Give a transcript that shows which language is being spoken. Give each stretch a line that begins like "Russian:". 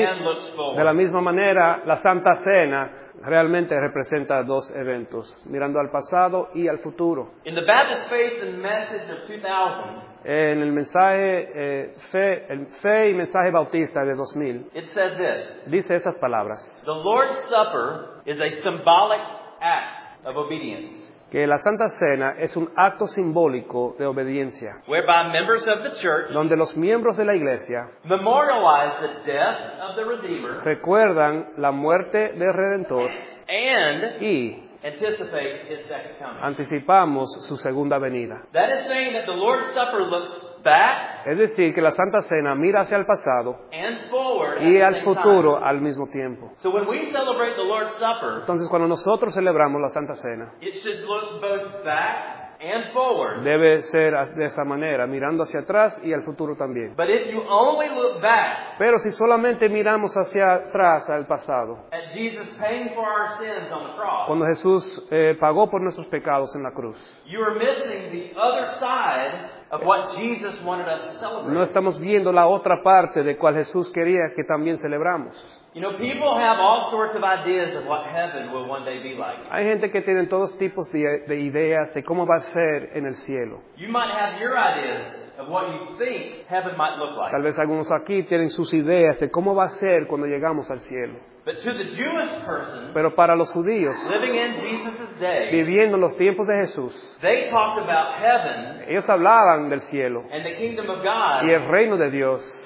English: and looks forward.
Spanish: De la misma manera, la Santa Cena realmente representa dos eventos, mirando al pasado y al futuro.
English: In the Baptist Faith and Message of 2000,
Spanish: en el mensaje fe y mensaje bautista de 2000,
English: it says this,
Spanish: dice estas palabras:
English: the Lord's Supper is a symbolic act of obedience.
Spanish: Que la Santa Cena es un acto simbólico de obediencia,
English: whereby members of the church,
Spanish: donde los miembros de la iglesia,
English: memorialize the death of the Redeemer,
Spanish: recuerdan la muerte del Redentor,
English: and
Spanish: y
English: anticipate his second coming,
Spanish: anticipamos su segunda venida.
English: That is saying that the Lord's Supper looks back,
Spanish: es decir, que la Santa Cena mira hacia el pasado
English: and forward
Spanish: y al futuro al mismo tiempo.
English: So when we celebrate the Lord's Supper,
Spanish: entonces, cuando nosotros celebramos la Santa Cena,
English: it should look both back and forward,
Spanish: debe ser de esa manera, mirando hacia atrás y al futuro también.
English: But if you only look back,
Spanish: pero si solamente miramos hacia atrás, al pasado,
English: at Jesus paying for our sins on the cross,
Spanish: cuando Jesús pagó por nuestros pecados en la cruz,
English: you are missing the other side of what Jesus wanted us to celebrate.
Spanish: No estamos viendo la otra parte de cual Jesús quería que también celebramos.
English: You know, people have all sorts of ideas of what heaven will one day be like.
Spanish: Hay gente que tienen todos tipos de ideas de cómo va a ser en el cielo.
English: You might have your ideas of what you think heaven might look like.
Spanish: Tal vez algunos aquí tienen sus ideas de cómo va a ser cuando llegamos al cielo.
English: But to the Jewish person,
Spanish: pero para los judíos,
English: living in Jesus's day,
Spanish: viviendo los tiempos de Jesús,
English: they talked about heaven,
Spanish: ellos hablaban del cielo,
English: and the kingdom of God,
Spanish: y el reino de Dios,